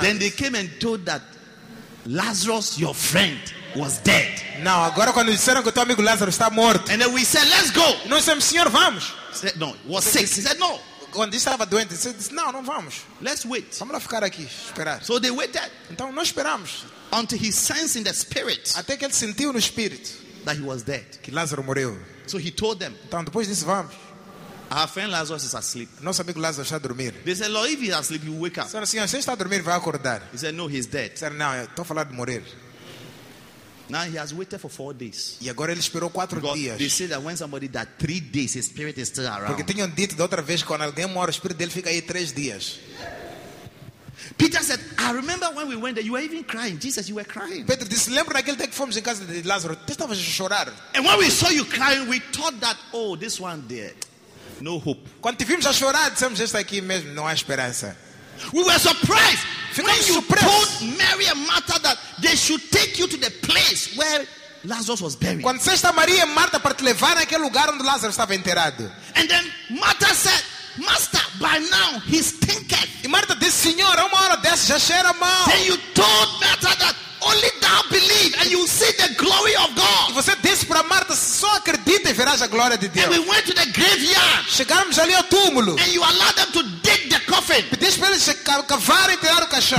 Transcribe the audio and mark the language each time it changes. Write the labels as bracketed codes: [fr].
[en] Then they came and told that Lazarus, your friend, was dead. [pt] Now, agora quando disseram que o teu amigo Lázaro está morto. [en] And then we said, let's go. [pt] Nós dissemos, senhor, vamos. [en] Said, no, was sick. He said, no. [pt] Quando ele estava doente, ele disse, não, não vamos. [en] Let's wait. [pt] Vamos lá ficar aqui, esperar. [en] So they waited. [pt] Então nós esperamos. [en] Until he sensed in the spirit. [pt] Até que ele sentiu no espírito. [en] That he was dead. [pt] Que Lázaro morreu. [en] So he told them. [pt] Então depois disse, vamos. [en] Our friend Lazarus is asleep. [pt] Nosso amigo Lázaro está a dormir. [en] They said, Lord, if he's asleep, he will wake up. [pt] Senhor, se ele está a dormir, vai acordar. [en] He said, no, he's dead. [pt] Senhor, não, estou a falar de morrer. [en] Now he has waited for 4 days. [pt] E agora ele esperou 4 dias. [en] They say that when somebody died 3 days, his spirit is still around. [pt] Porque tinham dito da outra vez que quando alguém morre, o espírito dele fica aí 3 dias. [en] Peter said, I remember when we went there, you were even crying. Jesus, you were crying. [pt] Pedro disse, lembra daquele dia que fomos em casa de Lázaro? Tu estavas a chorar. [en] And when we saw you crying, we thought that, oh, this one dead. No hope. [pt] Quando te vimos a chorar, dissemos, este aqui mesmo, não há esperança. [en] We were surprised. [pt] Ficamos [en] when you [pt] surpresos. [en] Told Mary and Martha that they should take you to the place where Lazarus was buried. [pt] Quando disseste a Maria e Marta para te levar àquele lugar onde Lázaro estava enterrado. [en] And then Martha said, Master, by now he stinketh. [pt] E Marta disse, Senhor, uma hora dessa já cheira mal. [en] Then you told Martha that only thou believe and you see the glory of God. [pt] E você disse para Marta, só acredita e verás a glória de Deus. [en] And we went to the graveyard. [pt] Chegamos ali ao túmulo. [en] And you allowed them to dig the coffin. [pt] Pediste para eles cavarem e tirar o caixão.